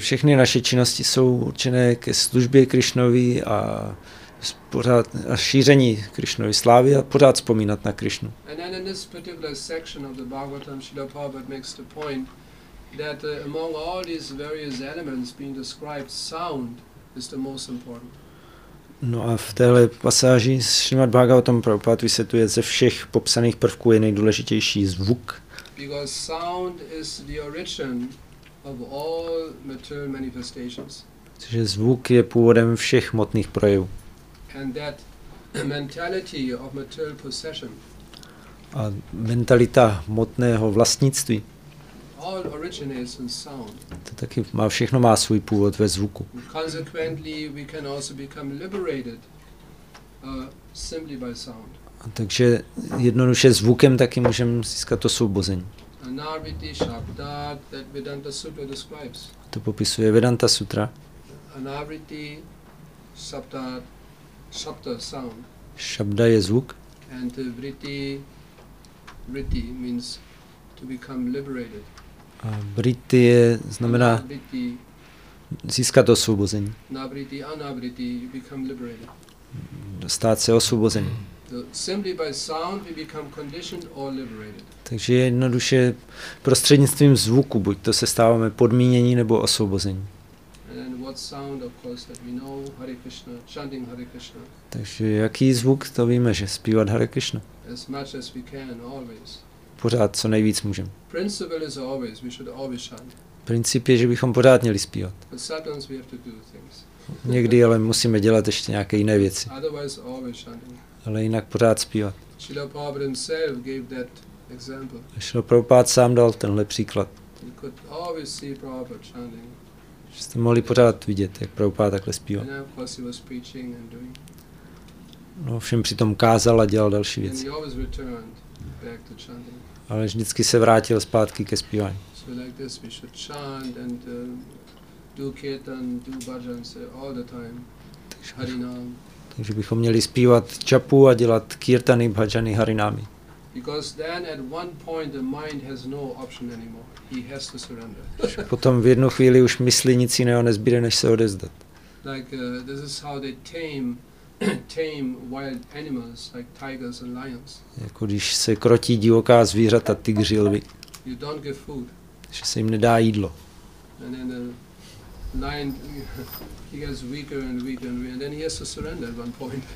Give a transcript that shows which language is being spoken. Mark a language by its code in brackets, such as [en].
[cs] všechny naše činnosti jsou určené ke službě Krišnovi a šíření Krišnovy slávy a pořád vzpomínat na Krišnu. A v této sekci Bhagavatam [en] Srila Prabhupada makes the point that among all these various elements being described, sound is the most important. [cs] No a v téhle pasáži Srimad Bhagavatam Prabhupada vysvětluje, ze všech popsaných prvků je nejdůležitější zvuk. [en] Because sound is the origin of all material manifestations. [cs] Protože zvuk je původem všech hmotných projevů. [en] And that mentality of material possession. [cs] A mentalita hmotného vlastnictví. [en] all originates in sound. [cs] To taky má, všechno má svůj původ ve zvuku. [en] Consequently, we can also become liberated simply by sound. [cs] A takže jednoduše zvukem taky můžeme získat to svobození. [en] Anarviti shabda that Vedanta Sutra describes. [cs] To popisuje Vedanta Sutra. [en] Anarviti shabda, shabda sound. [cs] Shabda je zvuk. [en] And vritti, vritti means to become liberated. [cs] A vritti je, znamená získat osvobození. [en] Navritti, anavritti, you become liberated. [cs] Stát se osvobozený. [en] Simply by sound we become conditioned or liberated. [cs] Takže jednoduše prostřednictvím zvuku buď to se stáváme podmínění nebo osvobození. [en] And what sound of course that we know Hare Krishna, chanting Hare Krishna. [cs] Takže jaký zvuk to víme, že zpívat Hare Krishna. [en] As much as we can always. [cs] Pořád co nejvíc můžeme. [en] Principle is always we should always chant. [cs] Princip je, že bychom pořád měli zpívat. [en] But sometimes we have to do things. [cs] Někdy ale musíme dělat ještě nějaké jiné věci. [en] Otherwise always chanting. [cs] Ale jinak pořád zpívat. [en] Srila Prabhupada himself gave that example. [cs] Srila Prabhupada sám dal tenhle příklad. [en] You could always see Prabhupada chanting. [cs] Že jste mohli pořád vidět, jak Prabhupada takhle zpívá. [en] And of course he was preaching and doing. [cs] No, všem přitom kázal a dělal další věci. [en] And he always returned back to chanting. [cs] Ale vždycky se vrátil zpátky ke zpívání. [en] So like this we should chant and do kirtan, do bhajan all the time. Harinam. [cs] Takže bychom měli zpívat čapu a dělat kirtany, bhajany, harinami. [en] Because then at one point the mind has no option anymore. He has to surrender. [cs] Potom v jednu chvíli už myslí nic jiného nezbyde, než se odezdat. [en] Like this is how they tame wild animals like tigers and lions. [cs] Jako když se krotí divoká zvířata, tygři, lvi. [en] You don't give food. [cs] Že se jim nedá jídlo. [en] And then the lion he gets weaker and weaker and then he has to surrender at one point.